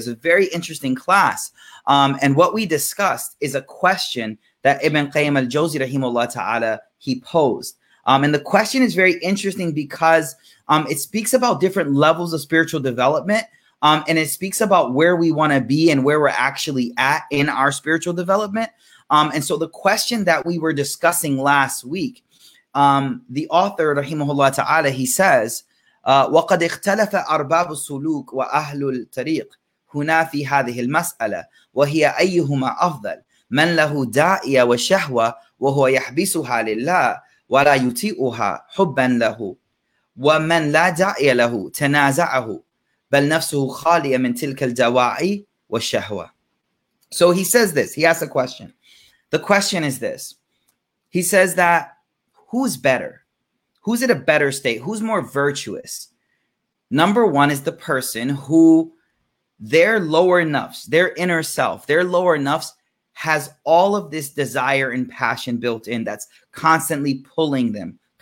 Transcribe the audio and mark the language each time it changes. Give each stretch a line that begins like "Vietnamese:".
English: It was a very interesting class. And what we discussed is a question that Ibn Qayyim al-Jawzi rahimahullah ta'ala, he posed. And the question is very interesting because it speaks about different levels of spiritual development, and it speaks about where we want to be and where we're actually at in our spiritual development. And so the question that we were discussing last week, the author, rahimahullah ta'ala, he says,
Arabic: وَقَدْ اِخْتَلَفَ أَرْبَابُ السُّلُوكُ وَأَهْلُ الْطَرِيقِ هُنَا فِي هَذِهِ الْمَسْأَلَةِ وَهِيَ أَيُّهُمَا أَفْضَلْ مَنْ لَهُ دَاعِيَ وَشَهْوَ وَهُوَ يَحْبِسُهَا لِلَّهِ وَلَا يُتِئُهَا حُبًّا لَهُ وَمَنْ لَا دَعِيَ لَهُ تَنَازَعَهُ بَلْ نَفْسُهُ خَالِيَ مِنْ تِلْكَ الْدَوَاعِي وَالشَّهْوَ.
English: So he says this, he asks a question. The question is this. He says that, who's better? Who's at a better state? Who's more virtuous? Number one is the person who their lower nafs, their inner self, their lower nafs has all of this desire and passion built in that's constantly pulling them.